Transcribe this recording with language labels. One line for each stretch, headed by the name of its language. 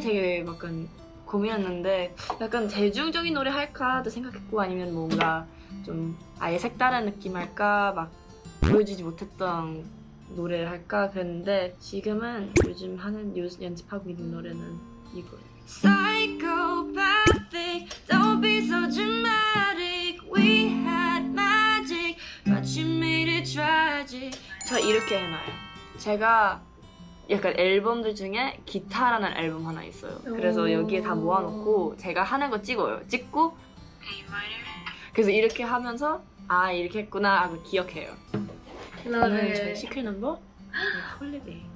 Korean: 되게 약간 고민했는데 약간 대중적인 노래 할까도 생각했고 아니면 뭔가 좀 아예 색다른 느낌 할까 막 보여지지 못했던 노래를 할까 그랬는데 지금은 요즘 하는 연습하고 있는 노래는 이거예요.
English: Psychopathic, don't be so dramatic. We had magic, but you made it tragic.
Korean: 저 이렇게 해놔요. 제가 약간 앨범들 중에 기타라는 앨범 하나 있어요. 그래서 여기에 다 모아놓고 제가 하는 거 찍어요. 찍고 그래서 이렇게 하면서 아 이렇게 했구나 하고 기억해요. 오늘 저희 시크릿 넘버 홀리데이.